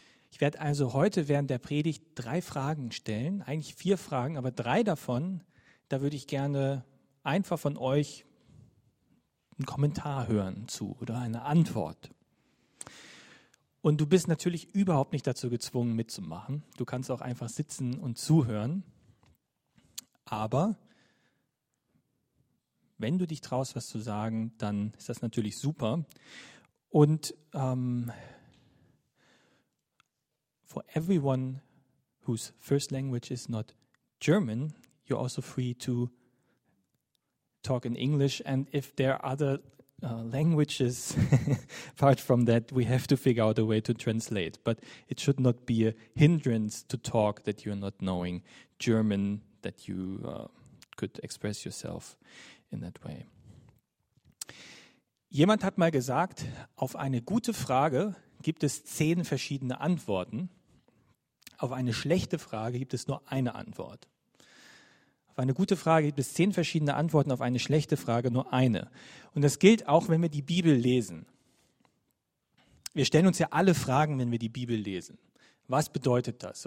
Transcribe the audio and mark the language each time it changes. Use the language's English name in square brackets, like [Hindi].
[German] Ich werde also heute während der Predigt 3 Fragen stellen, eigentlich 4 Fragen, aber 3 davon, da würde ich gerne einfach von euch einen Kommentar hören zu oder eine Antwort. Und du bist natürlich überhaupt nicht dazu gezwungen, mitzumachen. Du kannst auch einfach sitzen und zuhören. Aber wenn du dich traust, was zu sagen, dann ist das natürlich super. [English] Und for everyone whose first language is not German, you're also free to talk in English. And if there are other languages, apart from that, we have to figure out a way to translate. But it should not be a hindrance to talk that you're not knowing German, that you could express yourself in that way. [German] Jemand hat mal gesagt, auf eine gute Frage gibt es 10 verschiedene Antworten. Auf eine schlechte Frage gibt es nur eine Antwort. Auf eine gute Frage gibt es 10 verschiedene Antworten, auf eine schlechte Frage nur eine. Und das gilt auch, wenn wir die Bibel lesen. Wir stellen uns ja alle Fragen, wenn wir die Bibel lesen. Was bedeutet das?